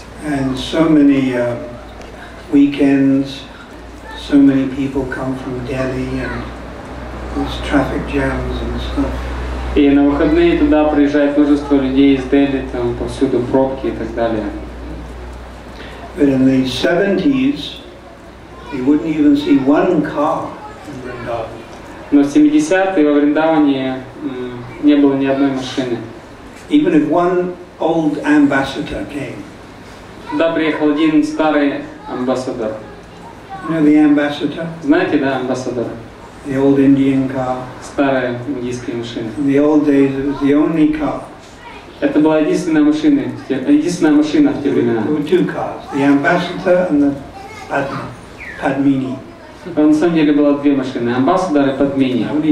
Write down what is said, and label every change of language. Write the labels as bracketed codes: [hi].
[en] And so many weekends, so many people come from Delhi and these traffic jams and stuff. [ru] И на выходные туда приезжает множество людей из Дели, там повсюду пробки и так далее. [en] But in the 70s, you wouldn't even see one car in Vrindavan. [ru] Но в 70-е во Вриндаване не было ни одной машины. [en] Even if one old ambassador came. [ru] Туда приехал один старый амбассадор. [en] You know the ambassador? [ru] Знаете, да, амбассадор? [en] The old Indian car. [ru] Старая индийская машина. [en] In the old days it was the only car. [ru] Это была единственная машина в те времена. [en] There were two cars, the ambassador and the Padmini. [ru] На самом деле было две машины, амбассадор и подмени.